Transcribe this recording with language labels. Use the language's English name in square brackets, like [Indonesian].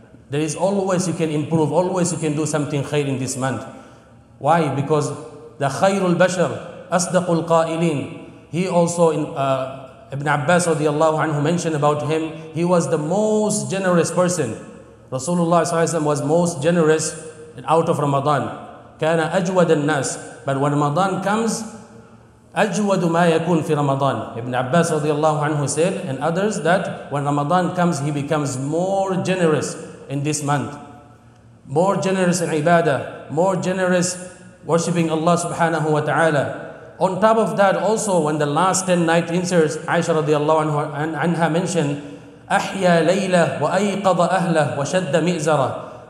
[English] There is always you can improve, always you can do something khair in this month. Why? Because the khairul bashar, asdaqul qailin, he also in Ibn Abbas radiallahu anhu mentioned about him, he was the most generous person. Rasulullah ﷺ was most generous out of Ramadan. [Arabic] كان أجود الناس. [English] But when Ramadan comes, [Arabic] أجود ما يكون في رمضان. [English] Ibn Abbas radiallahu anhu said, and others, that when Ramadan comes, he becomes more generous in this month. More generous in ibadah, more generous worshipping Allah subhanahu wa ta'ala. On top of that, also when the last 10 night inserts, Aisha radiallahu anha mentioned, [Arabic] أحيا ليلة وأيقظ أهله وشد مئزرة.